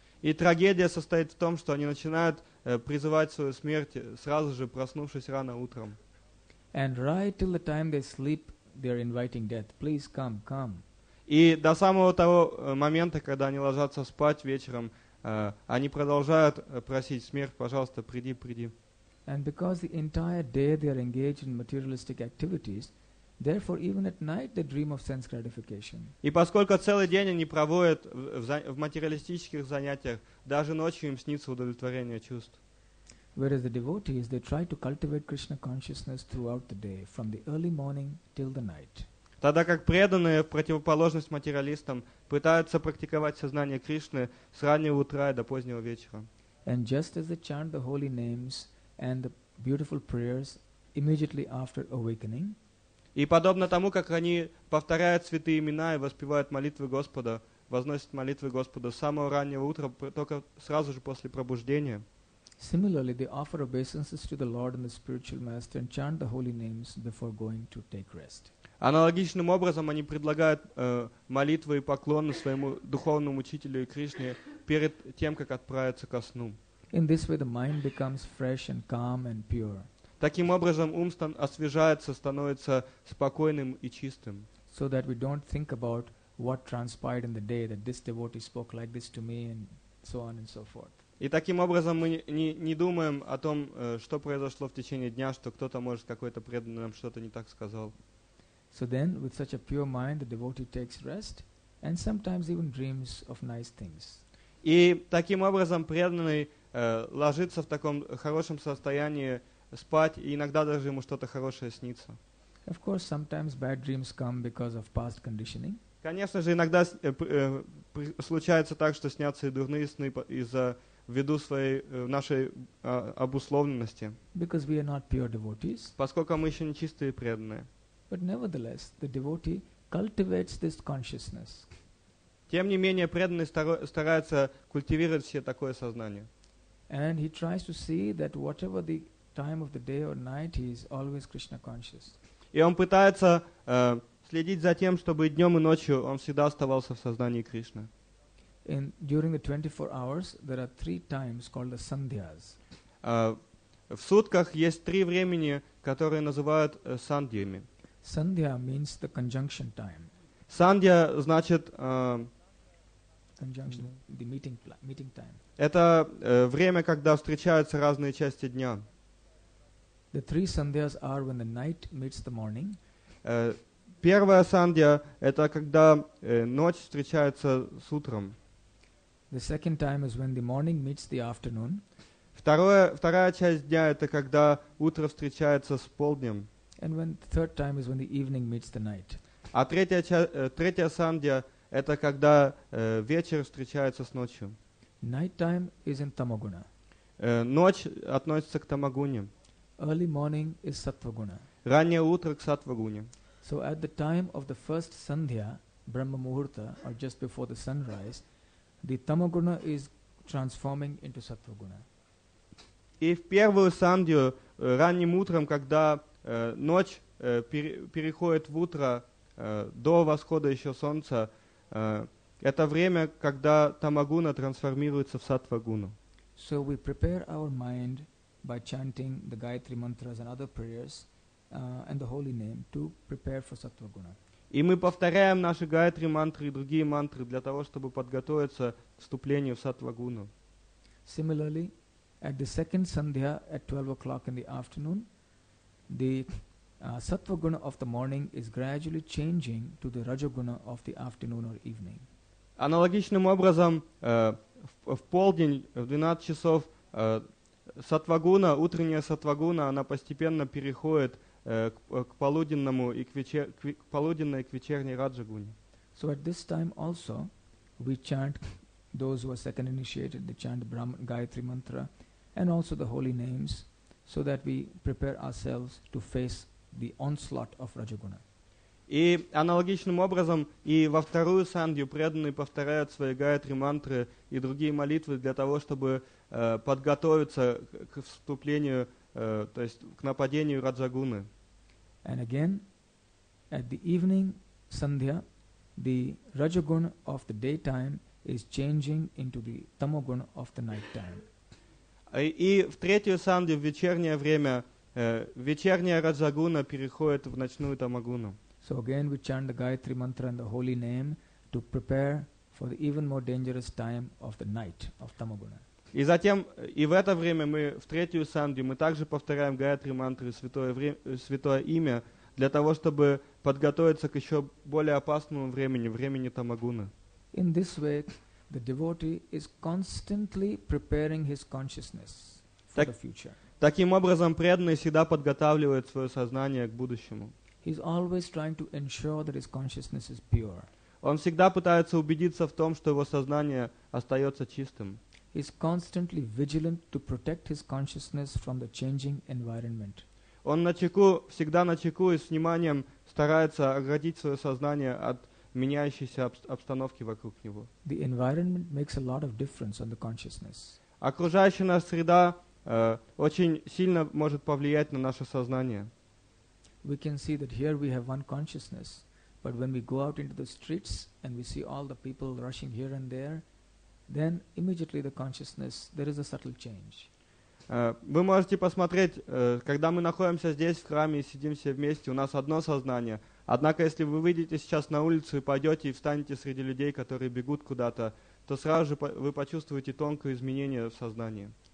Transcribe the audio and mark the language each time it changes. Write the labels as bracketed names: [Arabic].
[Russian] И трагедия состоит в том, что они начинают призывать свою смерть, сразу же проснувшись рано утром. [English] And right till the time they sleep, they're inviting death. Please come, come. [Russian] И до самого того момента, когда они ложатся спать вечером, они продолжают просить смерть, пожалуйста, приди, приди. [English] And because the entire day they are engaged in materialistic activities, therefore even at night they dream of sense gratification. [Russian] И поскольку целый день они проводят в материалистических занятиях, даже ночью им снится удовлетворение чувств. [English] Whereas the devotees, they try to cultivate Krishna consciousness throughout the day, from the early morning till the night. [Russian] Тогда как преданные, в противоположность материалистам, пытаются практиковать сознание Кришны с раннего утра и до позднего вечера. [English] And just as they chant the holy names and the beautiful prayers immediately after awakening, [Russian] и подобно тому, как они повторяют святые имена и воспевают молитвы Господа, возносят молитвы Господа с самого раннего утра, только сразу же после пробуждения, [English] similarly, they offer obeisances to the Lord and the spiritual master and chant the holy names before going to take rest. [Russian] Аналогичным образом они предлагают молитвы и поклоны своему духовному учителю и Кришне перед тем, как отправиться ко сну. [English] In this way the mind becomes fresh and calm and pure. [Russian] Таким образом ум освежается, становится спокойным и чистым. [English] so that we don't think about what transpired in the day that this devotee spoke like this to me and so on and so forth. [Russian] И таким образом мы не думаем о том, что произошло в течение дня, что кто-то может какой-то преданный нам что-то не так сказал. [English] So then, with such a pure mind, the devotee takes rest and sometimes even dreams of nice things. [Russian] И таким образом преданный ложится в таком хорошем состоянии спать, и иногда даже ему что-то хорошее снится. [English] Of course, sometimes bad dreams come because of past conditioning. [Russian] Конечно же, иногда случается так, что снятся и дурные сны из-за ввиду своей нашей обусловленности. [English] Because we are not pure devotees. [Russian] Поскольку мы еще не чистые преданные. [English] But nevertheless, the devotee cultivates this consciousness. [Russian] Тем не менее, преданный старается культивировать в себе такое сознание. [English] And he tries to see that whatever the time of the day or night, he is always Krishna conscious. [Russian] И он пытается следить за тем, чтобы днем и ночью он всегда оставался в сознании Кришны. [English] In during the 24 hours, there are three times called the sandhyas. [Russian] В сутках есть три времени, которые называют сандьями. [English] Sandhya means the conjunction time. [Russian] Sandhya значит [English] conjunction, the meeting time. [Russian] Это время, когда встречаются разные части дня. [English] The three sandhyas are when the night meets the morning. [Russian] Первая сандья это когда ночь встречается с утром. [English] The second time is when the morning meets the afternoon. [Russian] Вторая часть дня это когда утро встречается с полднем. [English] And when the third time is when the evening meets the night. [Russian] А третья сандья это когда вечер встречается с ночью. [English] Night time is in tamaguna. [Russian] Ночь относится к тамагуне. [English] Early morning is sattvaguna. [Russian] Раннее утро к сатвагуне. [English] So at the time of the first sandhya, Brahma Muhurta, or just before the sunrise, the tamaguna is transforming into sattvaguna. [Russian] И в первую сандью, ранним утром, когда ночь переходит в утро до восхода еще солнца, это время, когда тамагуна трансформируется в сатвагуну. [English] So we prepare our mind by chanting the Gayatri mantras and other prayers and the holy name to prepare for sattvaguna. [Russian] И мы повторяем наши Гаятри мантры и другие мантры для того, чтобы подготовиться к вступлению в сатвагуну. [English] Similarly, at the second sandhya at 12 o'clock in the afternoon, the sattvaguna of the morning is gradually changing to the rajaguna of the afternoon or evening. [Russian] Аналогичным образом, в полдень, в 12 часов, сатвагуна, утренняя сатвагуна, она постепенно переходит к полуденному и к полуденной и к вечерней раджагуне. [English] So at this time also, we chant those who are second initiated, they chant Brahman Gayatri mantra, and also the holy names, so that we prepare ourselves to face the onslaught of rajaguna. [Russian] И аналогичным образом и во вторую сандью преданные повторяют свои Гаятри мантры и другие молитвы для того, чтобы подготовиться к вступлению, то есть к нападению раджагуны. [English] And again, at the evening sandhya, the rajaguna of the daytime is changing into the tamaguna of the nighttime. [Russian] И в третью сандью, в вечернее время, вечерняя раджагуна переходит в ночную тамагуну. [English] So again we chant the Gayatri mantra and the holy name to prepare for the even more dangerous time of the night, of tamaguna. [Russian] И затем, и в это время мы, в третью сандью, мы также повторяем Гаятри мантры, святое имя, для того, чтобы подготовиться к еще более опасному времени, времени тамагуна. [English] In this way, the devotee is constantly preparing his consciousness for the future. [Russian] Таким образом, преданный всегда подготавливает свое сознание к будущему. [English] He's always trying to ensure that his consciousness is pure. [Russian] Он всегда пытается убедиться в том, что его сознание остается чистым. [English] He's constantly vigilant to protect his consciousness from the changing environment. [Russian] Он начеку, всегда начеку и с вниманием старается оградить свое сознание от меняющейся обстановки вокруг него. [English] The environment makes a lot of difference on the consciousness. [Russian] Окружающая нас среда очень сильно может повлиять на наше сознание. [English] We can see that here we have one consciousness, but when we go out into the streets and we see all the people rushing here and there, then immediately the consciousness, there is a subtle change. [Russian] Вы можете посмотреть, когда мы находимся здесь, в храме, и сидим все вместе, у нас одно сознание, Однако, если вы выйдете сейчас на улицу и пойдете и встанете среди людей, которые бегут куда-то, то сразу же вы почувствуете тонкое изменение в сознании.